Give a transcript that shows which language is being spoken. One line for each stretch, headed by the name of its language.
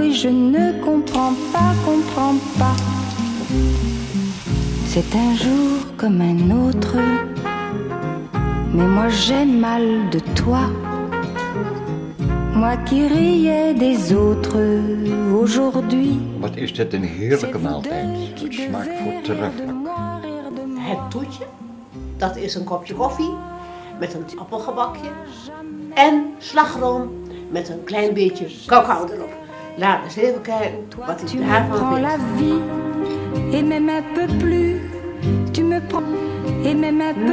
French: Et je ne comprends pas, comprends pas. C'est un jour comme un autre. Mais moi j'ai mal de toi. Moi qui riais des autres aujourd'hui.
Dutch: Wat is dit een heerlijke maaltijd. Het smaakt voortreffelijk. Het toetje, dat is een kopje koffie met een appelgebakje en slagroom met een klein beetje cacao erop. Laat eens even kijken wat ik daarvan vind.
French: La vie et même un peu plus. Tu me prends et même un peu plus.